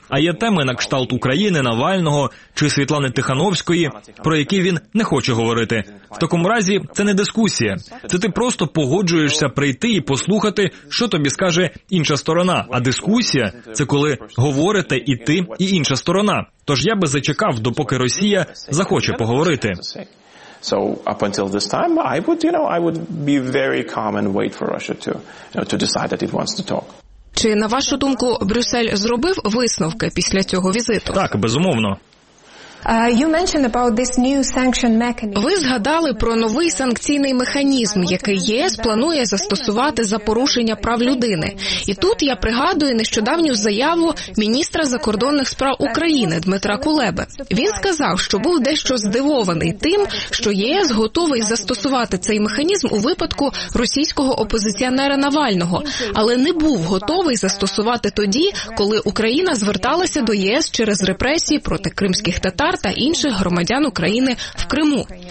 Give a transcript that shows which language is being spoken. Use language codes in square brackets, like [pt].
[uk] А є теми на кшталт України, Навального чи Світлани Тихановської, про які він не хоче говорити. В такому разі це не дискусія. Це ти просто погоджуєшся прийти і послухати, що тобі скаже інша сторона, а дискусія – це коли говорите і ти, і інша сторона. Тож я би зачекав, допоки Росія захоче поговорити. [en] So up until this time, I would be very calm and wait for Russia to decide that it wants to talk. [uk] Чи, на вашу думку, Брюссель зробив висновки після цього візиту? Так, безумовно. [en] You mentioned about this new sanction mechanism. [uk] Ви згадали про новий санкційний механізм, який ЄС планує застосувати за порушення прав людини. І тут я пригадую нещодавню заяву міністра закордонних справ України Дмитра Кулеби. Він сказав, що був дещо здивований тим, що ЄС готовий застосувати цей механізм у випадку російського опозиціонера Навального, але не був готовий застосувати тоді, коли Україна зверталася до ЄС через репресії проти кримських татар та інших громадян України в Криму.